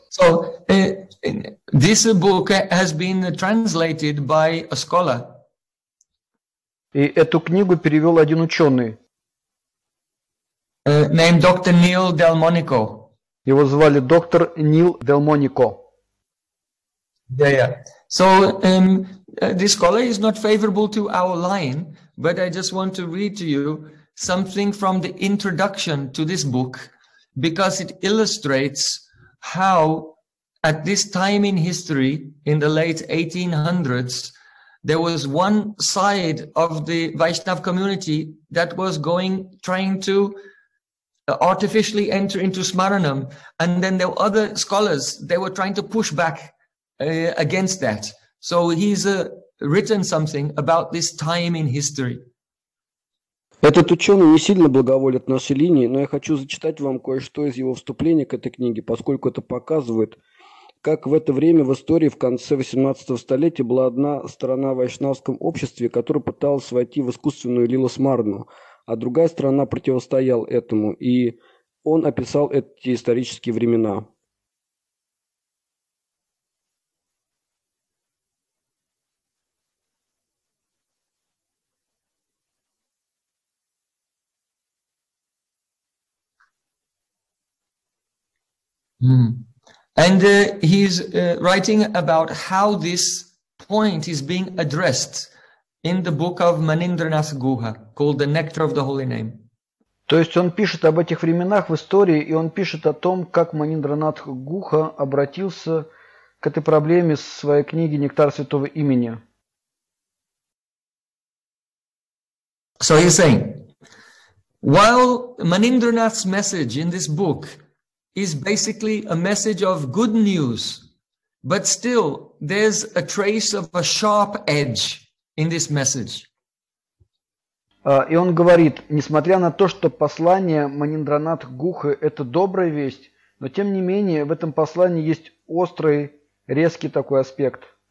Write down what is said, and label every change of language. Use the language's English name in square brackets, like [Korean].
[English] So this book has been translated by a scholar. [Russian] И эту книгу перевел один ученый. [English] Named Dr. Neil Delmonico. [Russian] Его звали доктор Нил Делмонико. [English] Yeah, yeah. So this scholar is not favorable to our line, but I just want to read to you something from the introduction to this book, because it illustrates how at this time in history, in the late 1800s, there was one side of the Vaishnav community that was going, trying to artificially enter into Smaranam. And then there were other scholars, they were trying to push back against that. So he's written something about this time in history. [Russian] Этот ученый не сильно благоволит нашей линии, но я хочу зачитать вам кое-что из его вступления к этой книге, поскольку это показывает, как в это время в истории в конце 18 столетия была одна сторона в вайшнавском обществе, которая пыталась войти в искусственную лилу смарну, а другая сторона противостояла этому, и он описал эти исторические времена. Mm. [English] And he's writing about how this point is being addressed in the book of Manindranath Guha called The Nectar of the Holy Name. [Russian] То есть он пишет об этих временах в истории, и он пишет о том, как Маниндранатх Гуха обратился к этой проблеме в своей книге «Нектар святого имени». [English] So he's saying, while Manindranath's message in this book is basically a message of good news, but still there's a trace of a sharp edge in this message. [Russian] И он говорит, несмотря на то, что послание Маниндранатх Гуха – это добрая весть, Но тем не менее, в этом послании есть острый, резкий такой аспект.